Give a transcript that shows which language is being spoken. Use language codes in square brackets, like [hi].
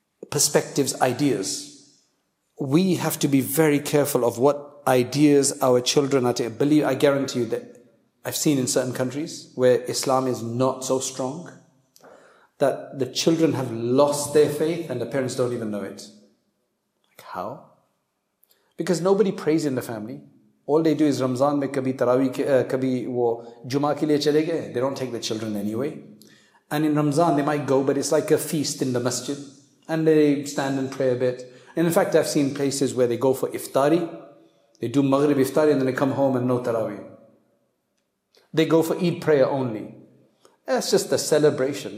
[en] Perspectives, ideas. We have to be very careful of what ideas our children are to believe. I guarantee you that I've seen in certain countries where Islam is not so strong that the children have lost their faith and the parents don't even know it. Like how? Because nobody prays in the family. All they do is [ur] رمضان میں کبھی تراویح کبھی وہ جمعہ کے لیے چلے گئے۔ [en] They don't take the children anyway. And in Ramzan they might go, but it's like a feast in the masjid and they stand and pray a bit. And in fact, I've seen places where they go for iftari. They do Maghrib iftari and then they come home and no tarawih. They go for Eid prayer only. That's just a celebration.